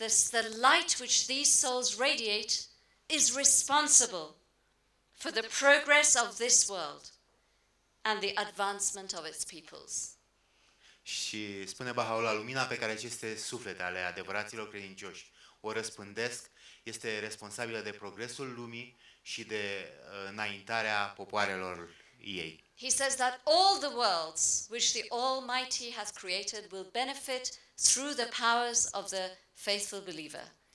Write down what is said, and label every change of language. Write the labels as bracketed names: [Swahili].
[English] the light which these souls radiate is responsible for the progress of this world and the advancement of its peoples. [Romanian] Și spune Baha'u'llah, lumina pe care aceste suflete ale adevăraților credincioși o răspândesc este responsabilă de progresul lumii și de înaintarea popoarelor ei. [English] He says that all the worlds which the Almighty has created will benefit through the powers of the faithful believer.